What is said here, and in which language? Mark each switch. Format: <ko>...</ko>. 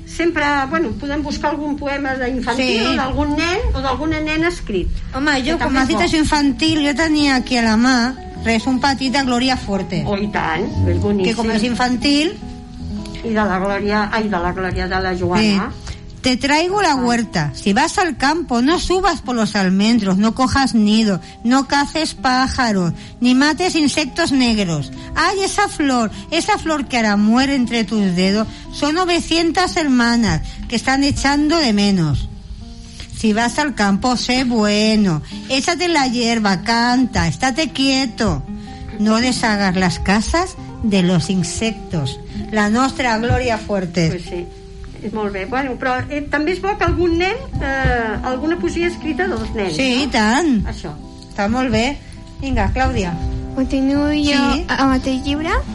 <ca>Sempre, bueno, podem buscar algun poema d'infantil, sí, o d'algun nen o d'alguna nena escrit. Home, jo, que com has dit això infantil, jo tenia aquí a la mà res, un petit de Glòria Forte. Oh, i tant, és boníssim. Que com és infantil... I de la Glòria, ai, de la Glòria de la Joana... Sí.</ca> <es>Te traigo la huerta. Si vas al campo, no subas por los almendros, no cojas nido, no caces pájaros, ni mates insectos negros. ¡Ay, esa flor que ahora muere entre tus dedos! Son 900 hermanas que están echando de menos. Si vas al campo, sé bueno, échate en la hierba, canta, estate quieto. No deshagas las casas de los insectos. La nuestra Glòria Forte. Pues sí.</es> <ca>És molt bé. Bueno, però també és bo que algun nen, alguna poesia escrita dels nens. Sí, no? Tant. Això. Està molt bé. Vinga, Clàudia. Continuo jo amb el teu llibre.</ca>